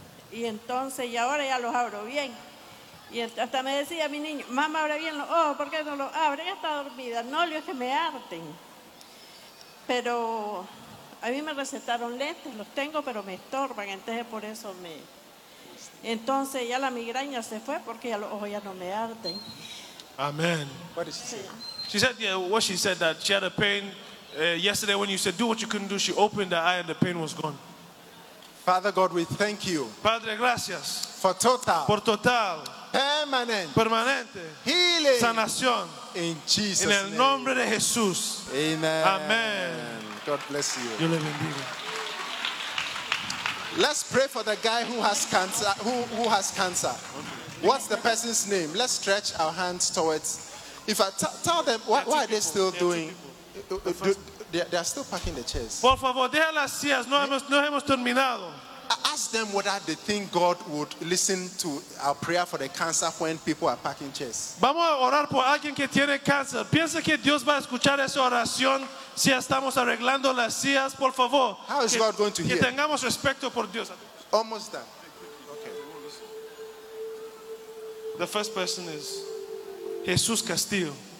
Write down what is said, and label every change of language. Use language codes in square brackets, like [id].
[es] Y entonces, y ahora ya los abro bien. Y hasta me decía mi niño, mamá, abre bien los ojos, ¿por qué no los abre? Ella está dormida, no, le es que me arden. Pero a mí me recetaron lentes, los tengo, pero me estorban, entonces por eso me... Entonces ya la migraña se fue porque ya los ojos ya no me arden. [en] Amen. What did she say? She said, yeah, what she said, that she had a pain yesterday when you said, do what you couldn't do, she opened her eye and the pain was gone. Father God, we thank you. [es] Padre, gracias. [en] For total. [es] Por total. Permanente. [en] Healing. [es] Sanación. [en] In Jesus' name. [es] En el nombre de Jesús. [en] Amen. Amen. God bless you. [es] Dios le bendiga. [en] Let's pray for the guy who has cancer. Who has cancer? What's the person's name? Let's stretch our hands towards. If I tell them, why are they still doing? They are still packing the chairs. [es] Por favor, deja las sillas. No hemos terminado. [en] Ask them whether they think God would listen to our prayer for the cancer when people are packing chairs. [es] Vamos a orar por alguien que tiene cáncer. Piensa que Dios va a escuchar esa oración si estamos arreglando las sillas, por favor. [en] How is God going to hear? [es] Que tengamos respeto por Dios. [en] Almost done. Okay. The first person is Jesús Castillo.